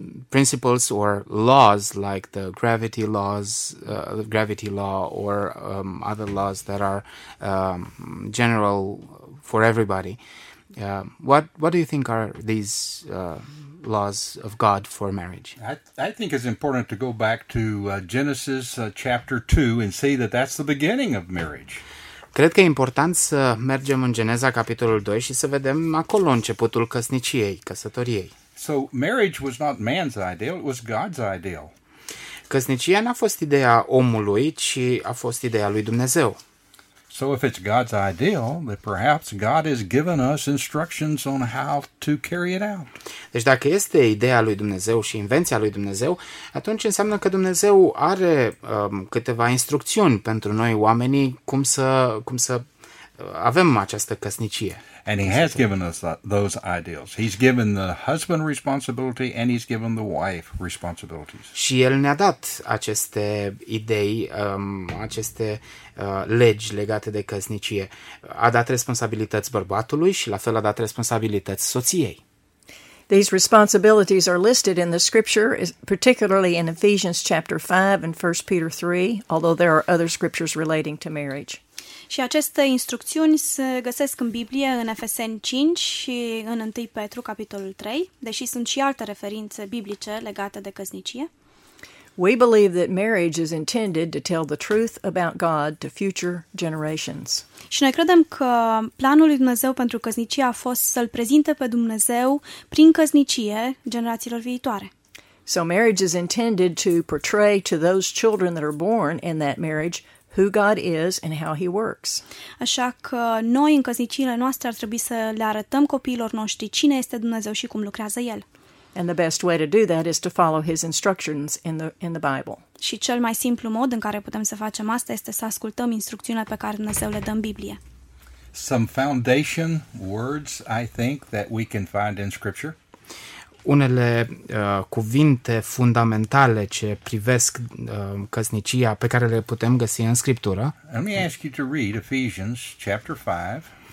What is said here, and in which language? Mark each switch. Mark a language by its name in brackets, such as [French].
[English] Principles or laws like the gravity laws, gravity law, or other laws that are general for everybody. What do you think are these laws of God for marriage? I think it's important to go back to Genesis chapter 2 and say that that's the beginning of marriage. [Romanian] Cred că e important să mergem în Geneza capitolul 2 și să vedem acolo începutul căsniciei, căsătoriei. [English] So marriage was not man's ideal, it was God's ideal. [Romanian] Căsnicia n-a fost ideea omului, ci a fost ideea lui Dumnezeu. [English] So if it's God's ideal, then perhaps God has given us instructions on how to carry it out. [Romanian] Deci dacă este ideea lui Dumnezeu și invenția lui Dumnezeu, atunci înseamnă că Dumnezeu are câteva instrucțiuni pentru noi oamenii cum să avem această căsnicie. [English] And he has given us those ideals. He's given the husband responsibility and he's given the wife responsibilities. [Romanian] Și el ne-a dat aceste idei, aceste legi legate de căsnicie. A dat responsabilități bărbatului și la fel a dat responsabilități soției. [English] These responsibilities are listed in the scripture, particularly in Ephesians chapter 5 and 1 Peter 3, although there are other scriptures relating to marriage. [Romanian] Și aceste instrucțiuni se găsesc în Biblie în Efeseni 5 și în 1 Petru capitolul 3, deși sunt și alte referințe biblice legate de căsnicie. [English] We believe that marriage is intended to tell the truth about God to future generations. [Romanian] Și noi credem că planul lui Dumnezeu pentru căsnicie a fost să-l prezinte pe Dumnezeu prin căsnicie generațiilor viitoare. [English] So marriage is intended to portray to those children that are born in that marriage who God is and how he works. [Romanian] Așa că noi în căsnicile noastre ar trebui să le arătăm copiilor noștri cine este Dumnezeu și cum lucrează el. [English] And the best way to do that is to follow his instructions in the Bible. [Romanian] Și cel mai simplu mod în care putem să facem asta este să ascultăm instrucțiunile pe care Dumnezeu le dă în Biblie. [English] Some foundation words, I think, that we can find in scripture. [Romanian] Unele cuvinte fundamentale ce privesc căsnicia pe care le putem găsi în scriptură. [English] Let me ask you to read Ephesians chapter 5.